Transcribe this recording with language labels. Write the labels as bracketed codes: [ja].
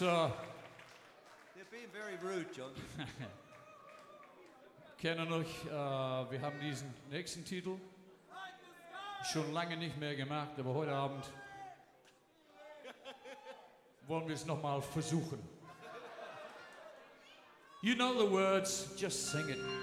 [en] They're being very rude, John. [de] Kennen euch, wir haben diesen nächsten Titel schon lange nicht mehr gemacht, aber heute Abend wollen wir es nochmal versuchen. [en] You know the words, just sing it.